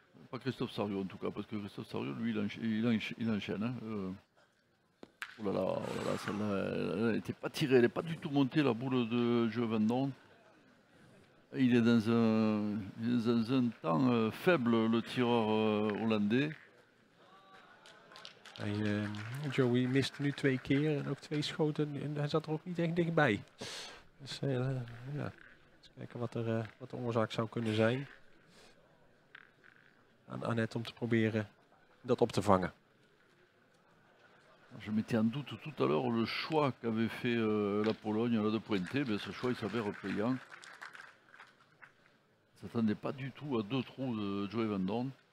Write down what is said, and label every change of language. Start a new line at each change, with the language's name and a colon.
French: Pas Christophe Sario en tout cas, parce que Christophe Sario, lui, il enchaîne. Hein. Oh là là, celle-là, elle n'était pas tirée, elle n'est pas du tout montée, la boule de Joe Vendon. Il est dans un temps faible, le tireur hollandais.
Dutch: Joey mist nu 2 keer en ook 2 schoten en hij zat er ook niet echt dichtbij. Dus ja, eens kijken wat de oorzaak zou kunnen zijn. Aan Annette om te proberen dat op te vangen.
French: Je mettais en doute tout à l'heure le choix qu'avait fait la Pologne là, de pointer, mais ce choix il s'avère payant. Il ne s'attendait pas du tout à 2 trous de Joey Van Dorn.